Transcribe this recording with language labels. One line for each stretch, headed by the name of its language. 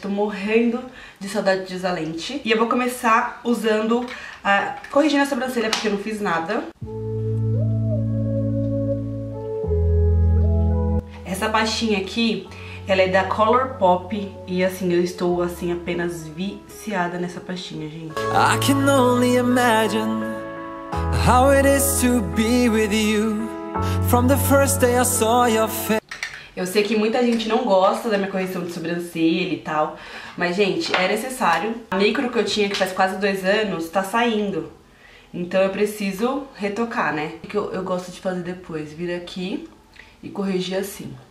Portuguese: Tô morrendo de saudade de usar lente. E eu vou começar usando, corrigindo a sobrancelha, porque eu não fiz nada. Essa pastinha aqui, ela é da ColourPop e assim, eu estou assim apenas viciada nessa pastinha, gente.
English: I can only imagine how it is to be with you from the first day I saw your face.
Portuguese: Eu sei que muita gente não gosta da minha correção de sobrancelha e tal, mas gente, é necessário. A micro que eu tinha, que faz quase 2 anos, tá saindo. Então eu preciso retocar, né? O que eu gosto de fazer depois? Vir aqui e corrigir assim.